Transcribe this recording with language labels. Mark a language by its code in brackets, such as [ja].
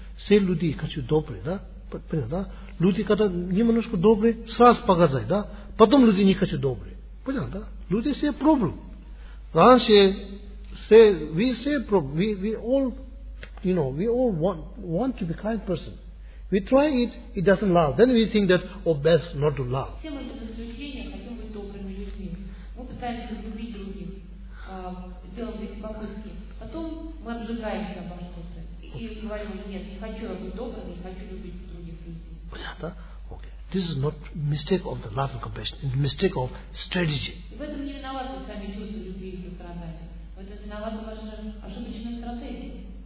[ru] Все люди, которые добрые, да? Понятно, да? Люди, когда немножко добрые, сразу показать, да? Потом люди не хотят добрые. Понятно, да? Люди все проблемы. Раньше все, we все проблемы. [en] We all, you know, we all want to be kind person. We try it, it doesn't last. Then we think that, oh, best not to laugh. [ru] Все мы без исключения хотим быть добрыми людьми. Мы пытаемся любить других, делать эти попытки. Потом мы обжигаемся обо что-то. И говорим, нет, не хочу я быть добрым, не хочу любить других людей. Понятно? Okay. [en] This is not mistake of the love and compassion. It's mistake of strategy. [ru] В этом не виноваты сами чувства любви и сострадания. В этом виноваты ваши ошибочные стратегии.